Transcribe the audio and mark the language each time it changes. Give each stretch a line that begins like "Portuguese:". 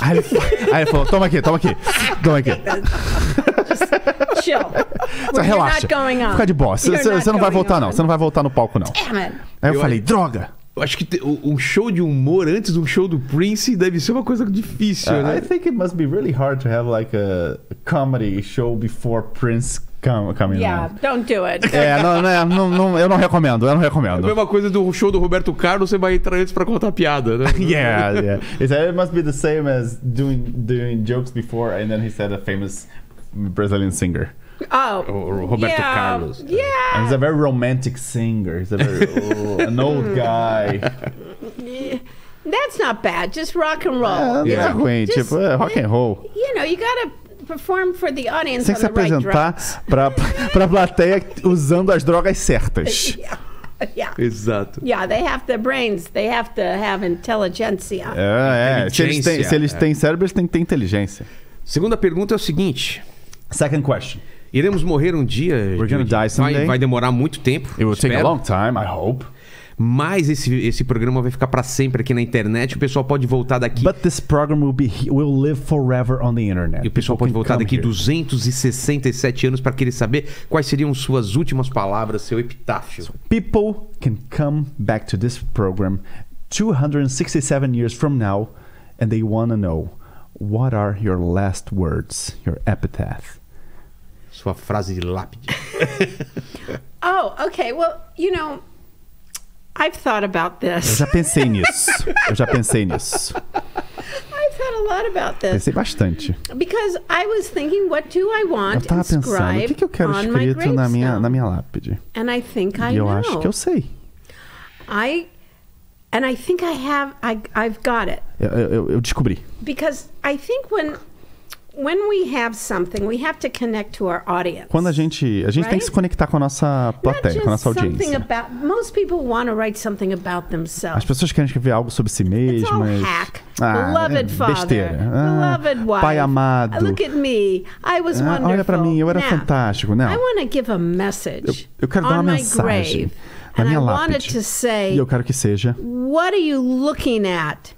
Portuguese: Aí ele falou, toma aqui, toma aqui. Toma aqui.
English: Chill.
Portuguese: Relaxa. Fica de boa. Você não vai voltar, não. Você não vai voltar no palco, não. Aí eu falei, droga. Eu acho que um show de humor antes de um show do Prince deve ser uma coisa difícil, né?
English: I think it must be really hard to have like a comedy show before Prince coming yeah, on. Yeah, don't do it.
Portuguese: É, não, eu não recomendo, eu não recomendo. A mesma coisa do show do Roberto Carlos, você vai entrar antes pra contar piada, né?
English: Yeah. It must be the same as doing jokes before and then he said a famous Brazilian singer. Oh, Roberto yeah, Carlos. Yeah. And he's a very romantic singer. He's a very an old guy. That's not bad. Just rock and roll. Yeah, you know? Queen, just,
Portuguese: tipo, rock and roll.
English: You know, you gotta perform for the audience.
Portuguese: Tem que se apresentar pra plateia usando as drogas certas.
English: Yeah.
Portuguese: Exato.
English: Yeah, they have the brains. They have to have inteligência.
Portuguese: Se eles têm cérebro, eles têm que ter inteligência. Segunda pergunta é o seguinte.
English: Second question.
Portuguese: Iremos morrer um dia.
English: We're gonna die someday.
Portuguese: Vai demorar muito tempo.
English: It will take a long time, I hope.
Portuguese: Mas esse programa vai ficar para sempre aqui na internet. O pessoal pode voltar daqui.
English: But this program will live forever on the internet.
Portuguese: E o pessoal pode voltar daqui 267 anos para querer saber quais seriam suas últimas palavras, seu epitáfio.
English: So people can come back to this program 267 years from now and they want to know what are your last words, your epitaph.
Portuguese: Sua frase de lápide.
English: Oh, okay. Well, you know, I've thought about this.
Portuguese: Eu já pensei nisso.
English: I've thought a lot about this.
Portuguese: Pensei bastante.
English: Because I was thinking, what do I want to inscribe on my gravestone?
Portuguese: Eu tava pensando, o que eu quero escrito na minha lápide?
English: And I think I
Portuguese: E eu acho que eu sei.
English: I've got it.
Portuguese: Eu descobri.
English: Because I think when we have something, we have to connect to our audience.
Portuguese: Quando a gente
English: right?
Portuguese: tem que se conectar com a nossa plateia, com a nossa audiência.
English: Something about, most people want to write something about themselves.
Portuguese: As pessoas querem escrever algo sobre si mesmas.
English: It's all hack. Beloved father.
Portuguese: Besteira.
English: Beloved wife.
Portuguese: Pai amado.
English: Look at me. I was wonderful.
Portuguese: Olha pra mim, eu era
English: now,
Portuguese: fantástico. Não.
English: I want to give a message.
Portuguese: Eu quero dar uma mensagem.
English: And I wanted to say,
Portuguese: e eu quero que seja.
English: What are you looking at?